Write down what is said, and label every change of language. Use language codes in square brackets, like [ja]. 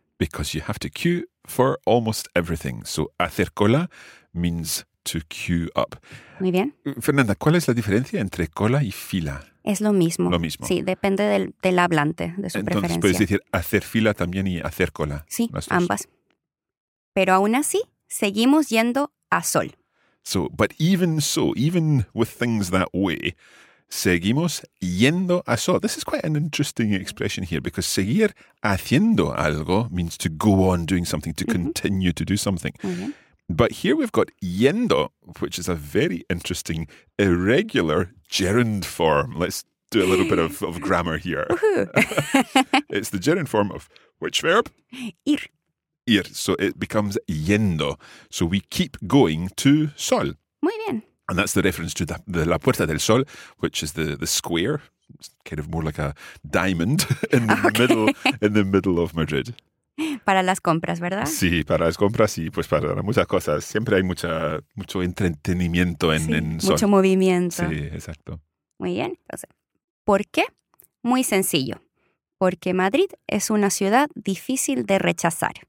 [en] Because you have to queue. For almost everything. So, [es] hacer cola [en] means to queue up. [es] Muy bien. Fernanda, ¿cuál es la diferencia entre cola y fila? Es lo mismo. Lo mismo. Sí, depende del hablante, de su Entonces, preferencia. Puedes decir hacer fila también y hacer cola. Sí, ambas. Pero aún así, seguimos yendo a sol. [en] So, but even so, even with things that way, [es] seguimos yendo a sol. [en] This is quite an interesting expression here because [es] seguir haciendo algo [en] means to go on doing something, to continue to do something. Mm-hmm. But here we've got yendo, which is a very interesting irregular gerund form. Let's do a little bit of grammar here. It's the gerund form of which verb? [es] Ir. [en] Ir. So it becomes yendo. So we keep going to sol. [es] Muy bien. [en] And that's the reference to the La Puerta del Sol, which is the square, it's kind of more like a diamond in the middle of Madrid. [es] Para las compras, ¿verdad? Sí, para las compras y pues para muchas cosas. Siempre hay mucho entretenimiento en Sol. Mucho movimiento. Sí, exacto. Muy bien. Entonces, ¿por qué? Muy sencillo. Porque Madrid es una ciudad difícil de rechazar.